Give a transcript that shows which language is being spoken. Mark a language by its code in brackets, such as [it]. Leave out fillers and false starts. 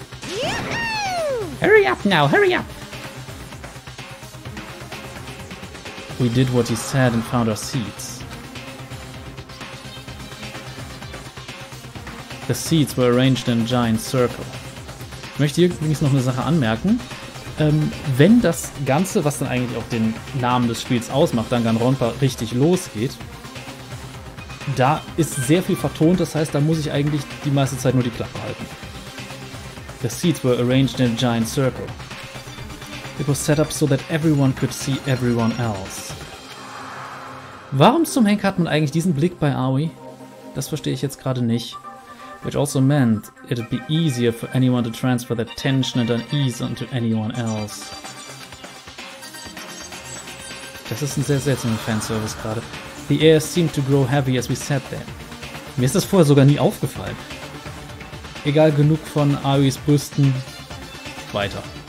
[en] Yoo-hoo! Hurry up now, hurry up! We did what he said and found our seats. The seats were arranged in a giant circle. [de] Ich möchte hier übrigens noch eine Sache anmerken. Wenn das Ganze, was dann eigentlich auch den Namen des Spiels ausmacht, Danganronpa, richtig losgeht, da ist sehr viel vertont, das heißt, da muss ich eigentlich die meiste Zeit nur die Klappe halten. [en] The seats were arranged in a giant circle. It was set up so that everyone could see everyone else. [de] Warum zum Henker hat man eigentlich diesen Blick bei Aoi? Das verstehe ich jetzt gerade nicht. [en] Which also meant it'd be easier for anyone to transfer their tension and unease onto anyone else. [de] Das ist ein sehr seltsamer Fanservice gerade. [en] The air seemed to grow heavy as we sat there. [de] Mir ist das vorher sogar nie aufgefallen. Egal, genug von Aois Brüsten. Weiter.